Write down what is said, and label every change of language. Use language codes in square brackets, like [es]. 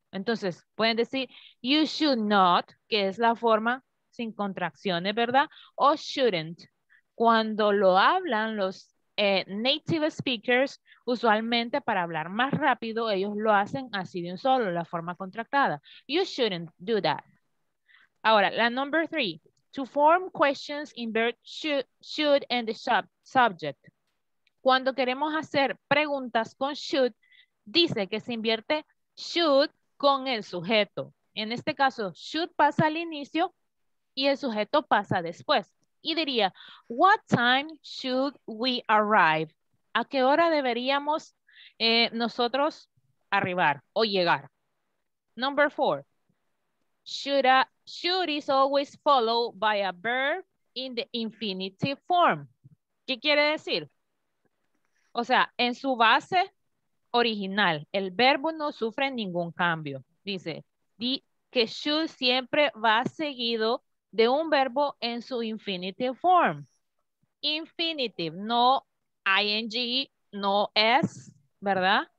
[es] Entonces, pueden decir, [en] you should not, [es] que es la forma sin contracciones, ¿verdad? O shouldn't. Cuando lo hablan los native speakers, usualmente para hablar más rápido, ellos lo hacen así de un solo, la forma contractada. [en] You shouldn't do that. [es] Ahora, la [en] number three, to form questions in verb should and the subject. [es] Cuando queremos hacer preguntas con should, dice que se invierte should con el sujeto. En este caso, should pasa al inicio y el sujeto pasa después. Y diría, [en] what time should we arrive? [es] ¿A qué hora deberíamos nosotros arribar o llegar? [en] Number four, should is always followed by a verb in the infinitive form. [es] ¿Qué quiere decir? O sea, en su base original, el verbo no sufre ningún cambio. Dice, que should siempre va seguido de un verbo en su infinitive form. Infinitive, no ing, no s, ¿verdad?